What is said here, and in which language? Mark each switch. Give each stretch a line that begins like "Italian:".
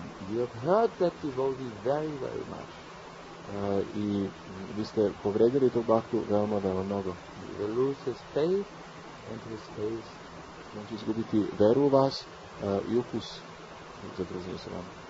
English: You've hurt that devotee very, very much.
Serbian: I vi ste povredili tog bhaktu veoma, veoma mnogo.
English: He lose his faith and his face.
Serbian: On će izgubiti veru u vas i ukus za druženje sa vama.